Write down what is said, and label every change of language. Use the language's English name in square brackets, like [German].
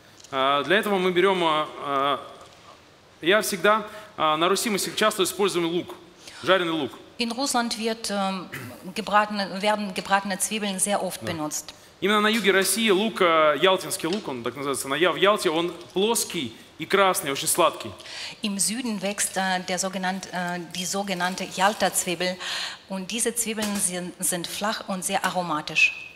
[Russian] Для этого мы берем, я всегда, на Руси мы часто используем лук, жареный лук. [German] In Russland werden gebratene Zwiebeln sehr oft benutzt. [Russian] Именно на юге России лук, ялтинский лук, он так называется, в Ялте, он плоский И красный, очень сладкий. [German] Im Süden wächst die sogenannte Jalta-Zwiebel und diese Zwiebeln sind flach und sehr aromatisch.